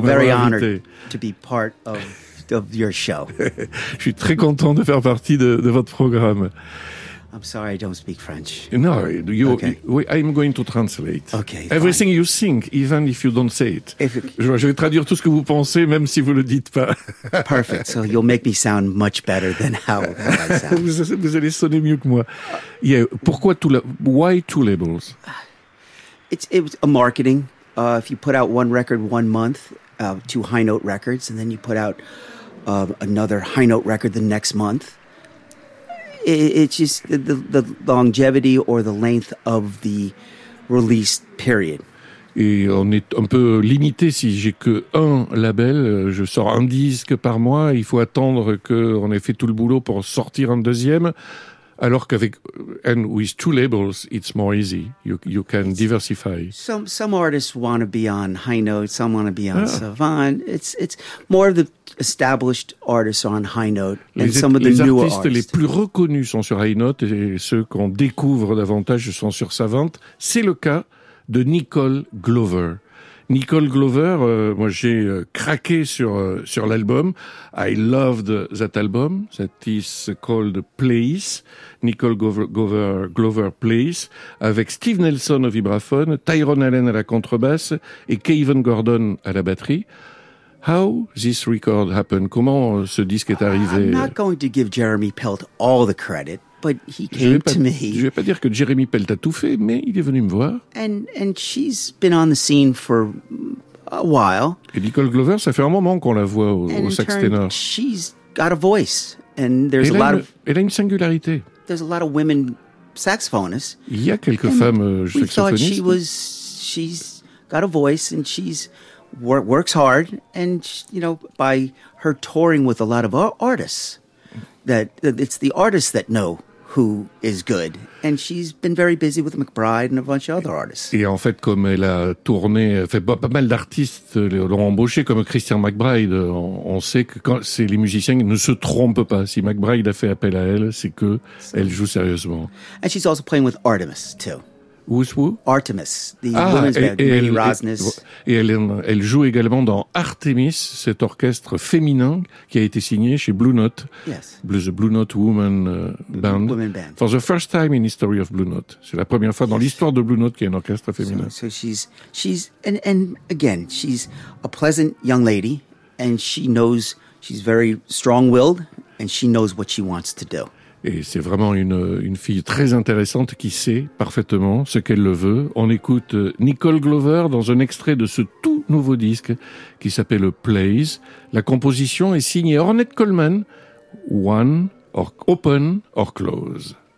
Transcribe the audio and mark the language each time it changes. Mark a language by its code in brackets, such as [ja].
[en] very honored to be part of your show. [fr] Je suis très content de faire partie de votre programme. [en] I'm sorry, I don't speak French. No, I'm going to translate. Okay, everything you think, even if you don't say it. [fr] Je vais traduire tout ce que vous pensez, même si vous ne le dites pas. [en] Perfect, so you'll make me sound much better than how I sound. [fr] Vous allez sonner mieux que moi. Yeah, pourquoi [en] why two labels? It's a marketing. If you put out one record one month, two High Note records, and then you put out another High Note record the next month. It's just the longevity or the length of the release period. [fr] Et on est un peu limité. Si j'ai que un label, je sors un disque par mois, il faut attendre qu'on ait fait tout le boulot pour sortir un deuxième. Alors qu'avec, [en] and with two labels, it's more easy. You can diversify. Some artists want to be on High Note, some want to be on Savant. It's more of the established artists are on High Note, and some of the newer artists. [fr] Les artistes les plus reconnus sont sur High Note, et ceux qu'on découvre davantage sont sur Savant. C'est le cas de Nicole Glover. Nicole Glover, moi j'ai craqué sur l'album. [en] I loved that album. That is called Place. Nicole Glover Place. [fr] Avec Steve Nelson au vibraphone, Tyrone Allen à la contrebasse et Kevin Gordon à la batterie. [en] How this record happened? [fr] Comment ce disque est arrivé? [en] I'm not going to give Jeremy Pelt all the credit, but he came to me. [fr] Je vais pas dire que Jeremy Pelt a tout fait, mais il est venu me voir. [en] And she's been on the scene for a while. [fr] Et Nicole Glover, ça fait un moment qu'on la voit au sax ténor. [en] She's got a voice, and there's [fr] Elle a une singularité. [en] There's a lot of women saxophonists. [fr] Il y a quelques femmes saxophonistes. [en] We thought she's got a voice, and she's works hard, and you know, by her touring with a lot of artists, that it's the artists that know who is good. And she's been very busy with McBride and a bunch of other artists. [fr] Et en fait, comme elle a tourné, fait pas mal d'artistes l'ont embauché, comme Christian McBride, on sait que quand c'est les musiciens ne se trompent pas. Si McBride a fait appel à elle, c'est que elle joue sérieusement. [en] And she's also playing with Artemis, too. Who's who? Artemis, the women's band, Marie Rosnes. [fr] Et elle joue également dans Artemis, cet orchestre féminin qui a été signé chez Blue Note. [en] Yes. Blue Note Women Band. Women Band. For the first time in history of Blue Note. [fr] C'est la première fois dans l'histoire de Blue Note qu'il y a un orchestre féminin. [en] So she's and again, she's a pleasant young lady, and she knows, she's very strong-willed, and she knows what she wants to do. [fr] Et c'est vraiment une fille très intéressante qui sait parfaitement ce qu'elle le veut. On écoute Nicole Glover dans un extrait de ce tout nouveau disque qui s'appelle Plays. La composition est signée Ornette Coleman, One, or Open or Close.